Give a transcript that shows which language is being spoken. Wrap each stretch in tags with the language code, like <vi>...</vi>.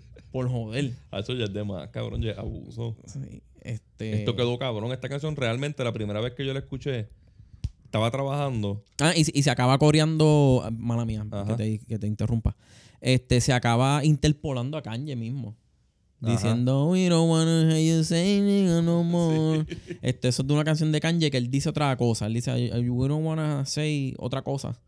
<es>Por joder. Eso ya es de más, cabrón. Ya es abuso. Sí, esto quedó cabrón. Esta canción realmente, la primera vez que yo la escuché, estaba trabajando. Ah, y se acaba coreando... Mala mía, que te interrumpa. Se acaba interpolando a Kanye mismo. Diciendo, ajá,</es> <en>we don't wanna hear you singing no more.</en> <es>Sí. Eso es de una canción de Kanye que él dice otra cosa. Él dice,</es> <en>we don't wanna say</en> <es>otra cosa.</es>